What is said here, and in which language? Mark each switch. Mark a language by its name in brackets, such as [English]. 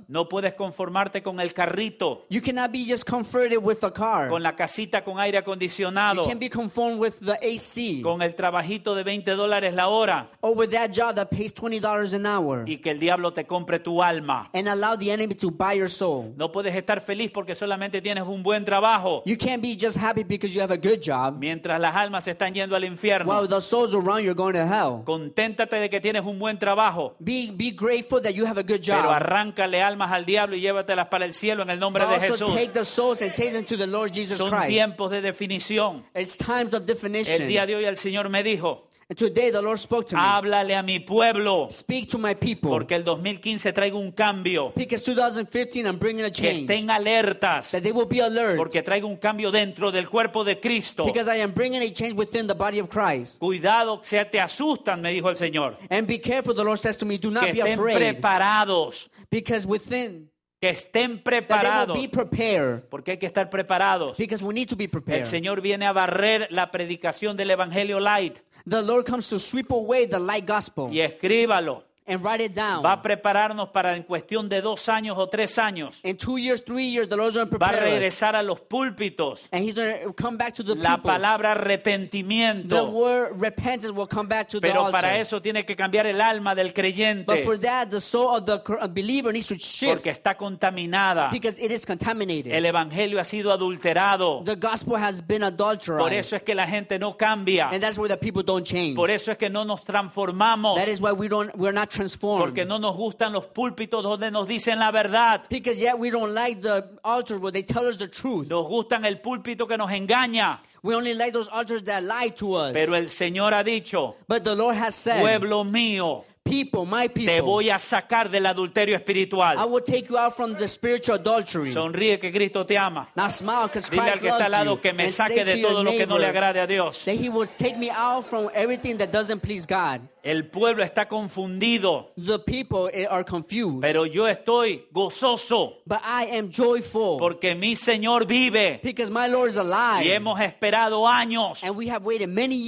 [Spanish] No puedes conformarte con el carrito. [English] You cannot be just comforted with a car. [Spanish] Con la casita con aire acondicionado. [English] You can't be conformed with the AC. [Spanish] Con el trabajito de $20 la hora. [English] Or with that job that pays $20 an hour. [Spanish] Y que el diablo te compre tu alma. [English] And allow the enemy to buy your soul. [Spanish] No puedes estar feliz porque solamente tienes un buen trabajo. [English] You can't be just happy because you have a good job. [Spanish] Mientras las almas están yendo al infierno. [English] While the souls around you are going to hell. [Spanish] Conténtate de que tienes un buen trabajo. [English] Be grateful that you have a good job. [Spanish] Pero arráncale almas al diablo y llévatelas para el cielo en el nombre de Jesús. [English] Also take the souls and take them to the Lord Jesus Christ. [Spanish] Son tiempos de definición. [English] It's times of definition. [Spanish] El día de hoy el Señor me dijo. [English] And today the Lord spoke to me. [Spanish] Háblale a mi pueblo. [English] Speak to my people. [Spanish] Porque el 2015 traigo un cambio. [English] Because 2015 I'm bringing a change. [Spanish] Que estén alertas. [English] That they will be alert. [Spanish] Porque traigo un cambio dentro del cuerpo de Cristo. [English] Because I am bringing a change within the body of Christ. [Spanish] Cuidado, se te asustan, me dijo el Señor. [English] And be careful, the Lord says to me, do not be afraid. [Spanish] Que estén preparados. [English] Because within. [Spanish] Que estén preparados. [English] That they will be prepared. [Spanish] Porque hay que estar preparados. [English] Because we need to be prepared. [Spanish] El Señor viene a barrer la predicación del Evangelio Light. [English] The Lord comes to sweep away the light gospel. [Spanish] Y escríbalo. [English] And write it down. [Spanish] Va a prepararnos para en cuestión de 2 años o 3 años. [English] In 2 years, 3 years, the Lord's going to prepare us. [Spanish] Va a regresar a los púlpitos. [English] And he's going to come back to the people. [Spanish] La palabra arrepentimiento. [English] The word repentance will come back to the altar. [Spanish] Pero para eso tiene que cambiar el alma del creyente. [English] But for that, the soul of the believer needs to shift. [Spanish] Porque está contaminada. [English] Because it is contaminated. [Spanish] El evangelio ha sido adulterado. [English] The gospel has been adulterated. [Spanish] Por eso es que la gente no cambia. [English] And that's why the people don't change. [Spanish] Por eso es que no nos transformamos. [English] That is why we're not transformed. [Spanish] Porque no nos gustan los púlpitos donde nos dicen la verdad. [English] Because yet we don't like the altar where they tell us the truth. [Spanish] Nos gustan el púlpito que nos engaña. [English] We only like those altars that lie to us. [Spanish] Pero el Señor ha dicho. [English] But the Lord has said. [Spanish] Pueblo mío. [English] People, my people. [Spanish] Te voy a sacar del adulterio espiritual. [English] I will take you out from the spiritual adultery. [Spanish] Sonríe que Cristo te ama. [English] Now smile because Christ loves you. [Spanish] Dile al que está al lado que me saque de todo lo que no le agrade a Dios. [English] That he will take me out from everything that doesn't please God. [Spanish] El pueblo está confundido. [English] The people are confused. [Spanish] Pero yo estoy gozoso. [English] But I am joyful. [Spanish] Porque mi Señor vive. [English] Because my Lord is alive. [Spanish] Y hemos esperado años. [English] And we have waited many years.